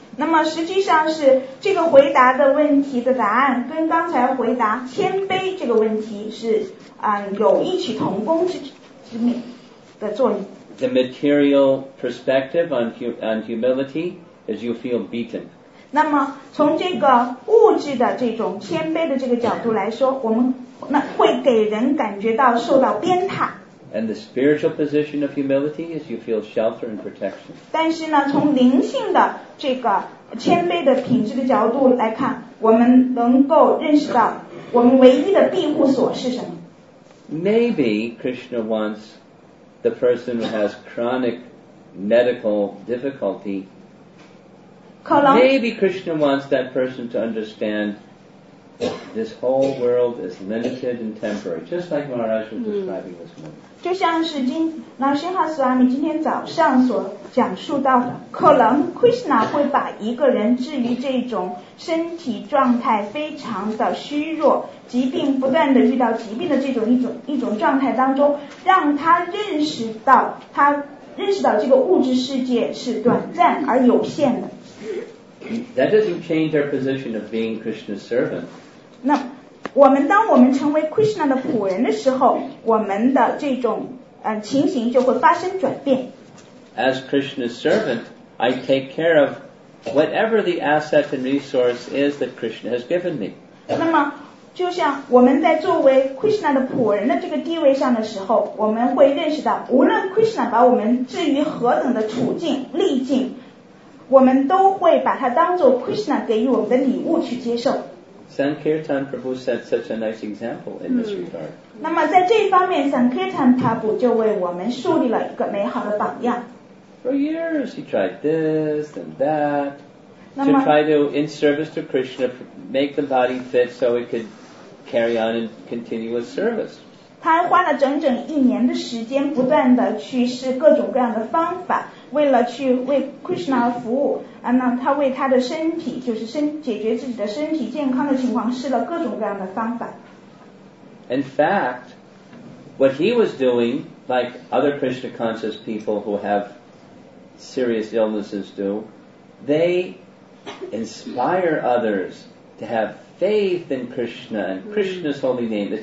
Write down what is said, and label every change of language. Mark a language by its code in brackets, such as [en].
[zh] 那么实际上是这个回答的问题的答案跟刚才回答谦卑这个问题是有异曲同工之妙的作用。 [en] The material perspective on humility is you feel beaten. [zh] 那么从这个物质的这种谦卑的这个角度来说，我们那会给人感觉到受到鞭挞。 [en] And the spiritual position of humility is you feel shelter and protection. [zh] 但是呢，从灵性的这个谦卑的品质的角度来看，我们能够认识到我们唯一的庇护所是什么？ [en] Maybe Krishna wants the person who has chronic medical difficulty. Maybe Krishna wants that person to understand this whole world is limited and temporary, just like Maharaj was describing this morning. [zh] 就像是今那辛哈斯瓦米今天早上所讲述到的，可能 Krishna 会把一个人置于这种身体状态非常的虚弱，疾病不断的遇到疾病的这种一种状态当中，让他认识到这个物质世界是短暂而有限的。 [en] That doesn't change our position of being Krishna's servant. [zh] 那我们当我们成为 Krishna 的仆人的时候，我们的这种情形就会发生转变。 [en] As Krishna's servant, I take care of whatever the asset and resource is that Krishna has given me. [zh] 那么就像我们在作为 Krishna 的仆人的这个地位上的时候，我们会认识到，无论 Krishna 把我们置于何等的处境、逆境。我们都会把它当作 Krishna 给予我们的礼物去接受。 [en] Sankirtan Prabhu set such a nice example in this regard. [zh] 那么在这方面 ，Sankirtan Prabhu 就为我们树立了一个美好的榜样。 [en] For years, he tried this and that to try to, in service to Krishna, make the body fit so it could carry on in continuous service. [zh] 他花了整整一年的时间，不断的去试各种各样的方法。为了去为 Krishna 服务，那他为他的身体，就是解决自己的身体健康的情况，试了各种各样的方法。 [en] In fact, what he was doing, like other Krishna conscious people who have serious illnesses do, they inspire others to have faith in Krishna and Krishna's holy name.